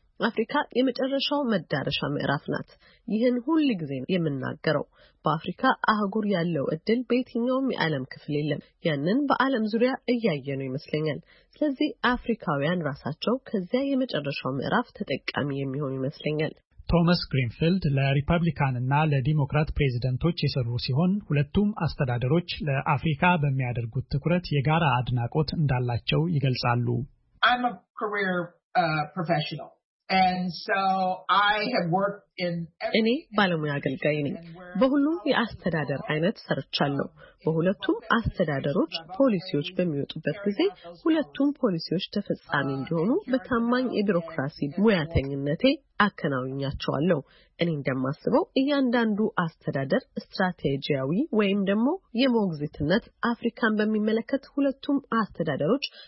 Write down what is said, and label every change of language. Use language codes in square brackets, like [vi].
[am] አፍሪካ የመጨረሻው መዳረሻ ምዕራፍ ናት። ይህን ሁሉ ጊዜ የምናገረው በአፍሪካ አህጉር ያለው እድል በየትኛውም የዓለም ክፍል የለም። ያንን በዓለም ዙሪያ እያየን ነው ይመስለኛል። ስለዚህ አፍሪካውያን ራሳቸው ከዚያ የመጨረሻው ምዕራፍ ተጠቃሚ የሚሆኑ ይመስለኛል። ቶማስ ግሪንፊልድ ለሪፐብሊካንና ለዲሞክራት ፕሬዝዳንቶች የሰሩ ሲሆን ሁለቱም አስተዳደሮች ለአፍሪካ በሚያደርጉት ትኩረት የጋራ አድናቆት እንዳላቸው ይገልጻሉ። [en] I'm a career professional. And so I have worked in [am] any ባለሙያ አገልጋይ ነኝ። በሁሉም የአስተዳደር አይነት ሰርቻለሁ። በሁለቱም አስተዳደሮች ፖሊሲዎች በሚወጡበት ጊዜ ሁለቱም ፖሊሲዎች ተፈጻሚ እንዲሆኑ በታማኝ የቢሮክራሲ ሙያተኝነቴ አከናውኛቸዋለሁ። እኔ እንደማስበው እያንዳንዱ አስተዳደር ስትራቴጂያዊ ወይም ደግሞ የሞግዚትነት አፍሪካን በሚመለከት ሁለቱም አስተዳደሮች